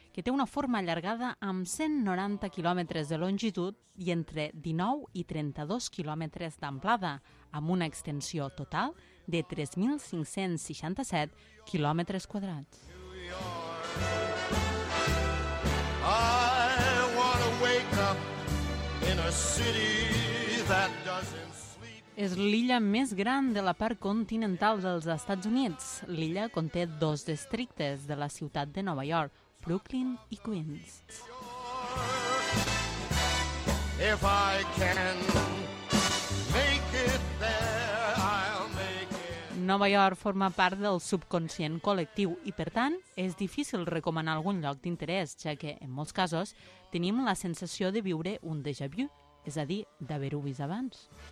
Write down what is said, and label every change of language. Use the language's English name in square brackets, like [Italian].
[Catalan] que té una forma allargada amb 190 quilòmetres de longitud i entre 19 i 32 quilòmetres d'amplada, amb una extensió total de 3.567 quilòmetres quadrats. [English] I want to wake up in a city that doesn't sleep. [Catalan] És l'illa més gran de la part continental dels Estats Units. L'illa conté dos districtes de la ciutat de Nova York, Brooklyn i Queens. [English] If I can make it there, I'll make it. [Catalan] Nova York forma part del subconscient col·lectiu i, per tant, és difícil recomanar algun lloc d'interès, ja que, en molts casos, tenim la sensació de viure un déjà vu, és a dir, d'haver-ho vist abans.